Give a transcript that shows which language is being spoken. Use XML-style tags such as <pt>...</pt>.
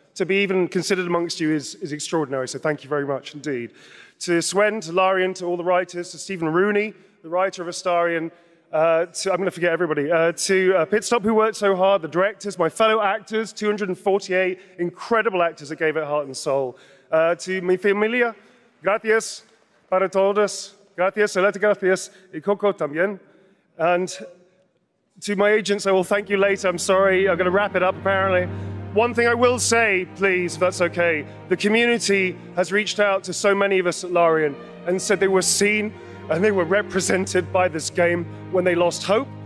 <en>To be even considered amongst you is extraordinary, so thank you very much indeed. To Sven, to Larian, to all the writers, to Stephen Rooney, the writer of Astarion, I'm going to forget everybody, to Pitstop, who worked so hard, the directors, my fellow actors, 248 incredible actors that gave it heart and soul.</en> <es>To mi familia, gracias para todos, gracias, salute, gracias, y coco también.</es> <en>And to my agents, I will thank you later, I'm sorry, I'm going to wrap it up apparently. One thing I will say, please, if that's okay, the community has reached out to so many of us at Larian and said they were seen and they were represented by this game when they lost hope.</en>